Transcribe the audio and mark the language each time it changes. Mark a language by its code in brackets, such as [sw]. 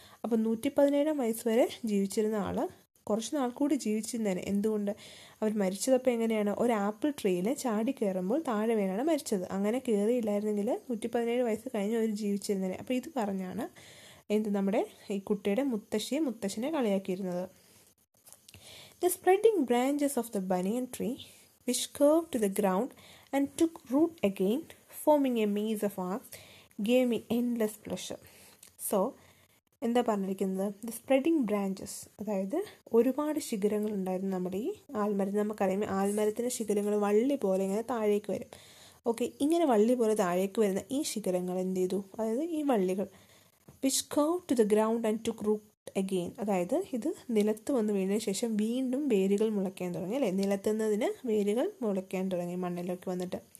[ml] അപ്പം 117 വയസ്സ് വരെ ജീവിച്ചിരുന്ന ആൾ കുറച്ച് നാൾ കൂടി ജീവിച്ചിരുന്നതിന്, എന്തുകൊണ്ട്? അവർ മരിച്ചതപ്പോൾ എങ്ങനെയാണ്? ഒരു ആപ്പിൾ ട്രീയിൽ ചാടി കയറുമ്പോൾ താഴെ വീണാണ് മരിച്ചത്. അങ്ങനെ കയറിയില്ലായിരുന്നെങ്കിൽ 117 വയസ്സ് കഴിഞ്ഞ് അവർ ജീവിച്ചിരുന്നതിന്. അപ്പോൾ ഇത് പറഞ്ഞാണ് എന്ത് നമ്മുടെ ഈ കുട്ടിയുടെ മുത്തശ്ശിയെ മുത്തശ്ശനെ കളിയാക്കിയിരുന്നത്. [en] The spreading branches of the banyan tree, which curved to the ground and took root again, forming a maze of arms, gave me endless pleasure. [ml] So, എന്താ പറഞ്ഞിരിക്കുന്നത്? ദ സ്പ്രെഡിങ് ബ്രാഞ്ചസ്, അതായത് ഒരുപാട് ശിഖരങ്ങൾ ഉണ്ടായിരുന്നു നമ്മുടെ ഈ ആൽമരം. നമുക്കറിയാം ആൽമരത്തിൻ്റെ ശിഖരങ്ങൾ വള്ളി പോലെ ഇങ്ങനെ താഴേക്ക് വരും. ഓക്കെ, ഇങ്ങനെ വള്ളി പോലെ താഴേക്ക് വരുന്ന ഈ ശിഖരങ്ങൾ എന്ത് ചെയ്തു? അതായത് ഈ വള്ളികൾ, [en] which curved to the ground and took root again, [ml] അതായത് ഇത് നിലത്ത് വന്ന് വീണതിന് ശേഷം വീണ്ടും വേരുകൾ മുളയ്ക്കാൻ തുടങ്ങി അല്ലേ, നിലത്തുന്നതിന് വേരുകൾ മുളയ്ക്കാൻ തുടങ്ങി മണ്ണിലൊക്കെ വന്നിട്ട്.